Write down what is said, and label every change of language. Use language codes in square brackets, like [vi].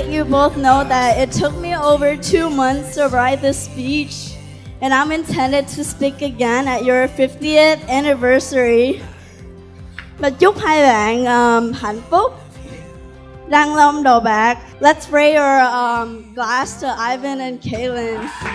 [en] Both know that it took me over 2 months to write this speech, and I'm intended to speak again at your 50th anniversary. But [vi] chúc hai bạn hạnh phúc, đăng long đầu bạc. [en] Let's raise our glass to Ivin and Kaylen.